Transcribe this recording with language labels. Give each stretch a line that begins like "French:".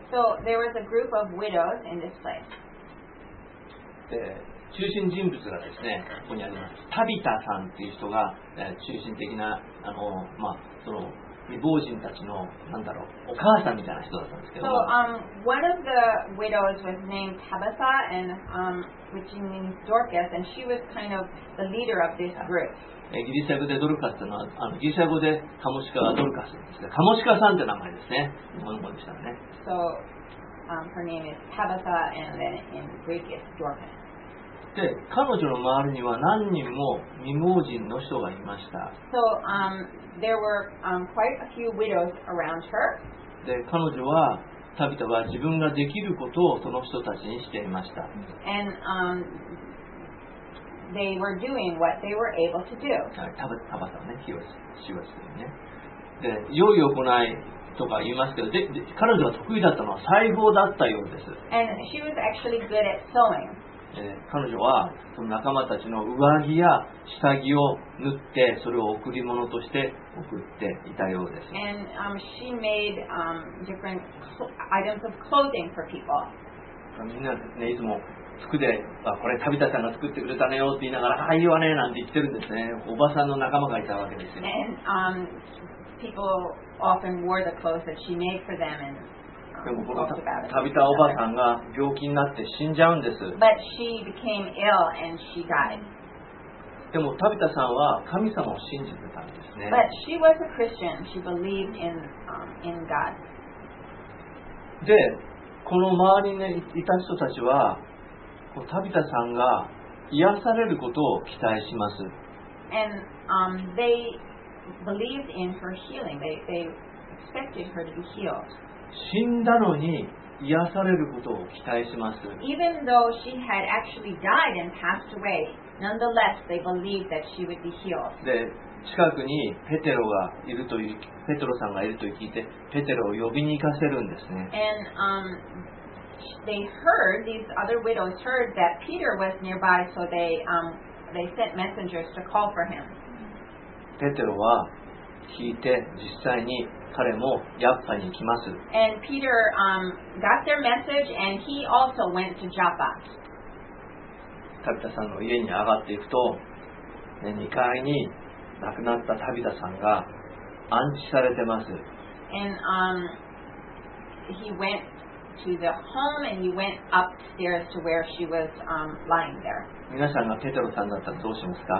English: So there was a group of widows in this place.
Japanese: 中心人物がですね、ここにあります。タビタさんっていう人が、中心的な、まあ、その未亡人たちの、なんだろう、お母さんみたいな人だったんですけど。
English: So, one of the widows was named Tabitha, and, which means Dorcas, and she was kind of the leader of this group.
Japanese: ギリシャ語でドルカスというのは、ギリシャ語でカモシカはドルカスですが、カモシカさんという名前ですね。日本語でしたね。
English: So, her name is Tabitha, and then in Greek it's Dorcas.
Japanese: で彼女の周りには何人も未亡人の人がいました。
English: So, there were, quite a few widows around her.
Japanese: で彼女はタビタは自分ができることをその人たちにしていました。
English: And, they were doing what they were able to do.
Japanese: タバタね、ヒワシ、シワシね。で良い行いとか言いますけど、で彼女は得意だったのは裁縫だったようです。
English: And she was actually good at sewing.
Japanese: 彼女はその仲間たちの上着や下着を縫ってそれを贈り物として送っていたようです。
English: And, she made, different items of clothing for people.
Japanese: みんな、ね、いつも服で、あ、これタビタさんが作ってくれたねよって言いながら、はい、いいわねなんて言ってるんですね。おばさんの仲間がいたわけですよ。
English: And, people often wore the clothes that she made for them and...
Japanese: でもこのタビタおばさんが病気になって死んじゃうんです。
English: But she became ill and she died.
Japanese: でもタビタさんは神様を信じてたんですね。
English: But she was a Christian. She believed in God.
Japanese: で、この周りにいた人たちはタビタさんが癒されることを期待します。
English: And, they believed in her healing. They expected her to be healed.
Japanese: 死んだのに癒されることを期待します。
English: Even though she had actually died and passed away, nonetheless they believed that she would be healed.
Japanese: で、近くにペテロがいるという、ペテロさんがいると聞いて、ペテロを呼びに行かせるんですね。
English: And, they heard, these other widows heard that Peter was nearby, so they, they sent messengers to call for him.
Japanese: ペテロは聞いて実際に彼もヤッパに来ます。
English: And Peter, got their message and he also went to Joppa.
Japanese: タビタさんの家に上がっていくと、ね、2階に亡くなったタビタさんが安置されてます。
English: And, he went to the home and he went upstairs to where she was, lying there.
Japanese: 皆さんがペテロさんだったらどうしますか?